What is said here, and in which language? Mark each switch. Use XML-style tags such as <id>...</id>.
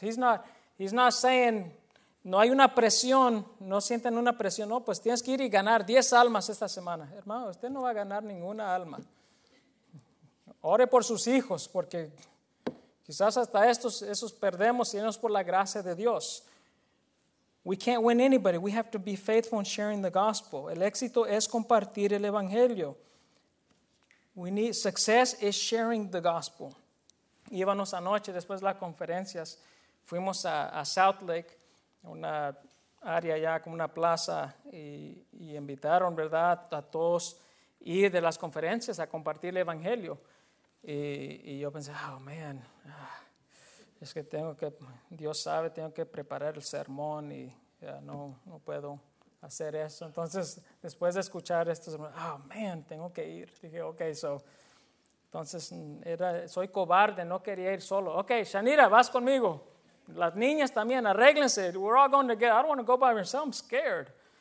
<en>He's not saying,</en> <es>no hay una presión. No sienten una presión. No, pues tienes que ir y ganar 10 almas esta semana. Hermano, usted no va a ganar ninguna alma. Ore por sus hijos, porque quizás hasta esos perdemos y no es por la gracia de Dios.</es> <en>We can't win anybody. We have to be faithful in sharing the gospel.</en> <es>El éxito es compartir el evangelio.</es> <en>Success is sharing the gospel.</en> <es>Íbamos anoche, después de las conferencias, fuimos a South Lake, una área allá como una plaza, y invitaron, ¿verdad?, a todos ir de las conferencias a compartir el evangelio. Y yo pensé, oh man, es que Dios sabe, tengo que preparar el sermón y ya no puedo hacer eso. Entonces, después de escuchar esto, oh man, tengo que ir. Dije, okay, soy cobarde, no quería ir solo. Okay, Shanira, vas conmigo. Las niñas también, arréglense.</es> <en>We're all going together. I don't want to go by myself, I'm scared.</en>